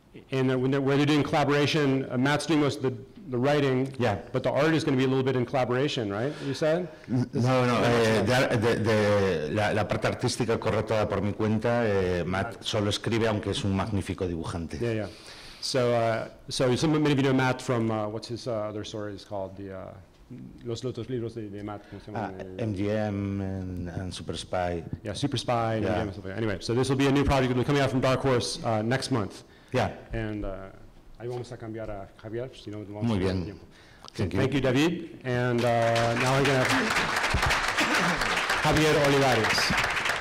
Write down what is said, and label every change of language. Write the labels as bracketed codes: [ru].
[en] Where they're doing collaboration, Matt's doing most of the writing, yeah, but the art is going to be a little bit in collaboration, right? You said? [es] La parte artística correctada por mi cuenta, Matt solo escribe, aunque es un magnífico dibujante. [en] Yeah, yeah. So many of you know Matt from what's his other story is called? [es] Los otros libros de Matt, ¿cómo se llama? [en] MGM and Super Spy. Yeah, Super Spy and MGM and stuff. Anyway, so this will be a new project that will be coming out from Dark Horse next month. Yeah. [es] And ahí vamos a cambiar a Javier, si no, vamos. Muy bien. [en] Thank you, David. And now we're going to have Javier Olivares.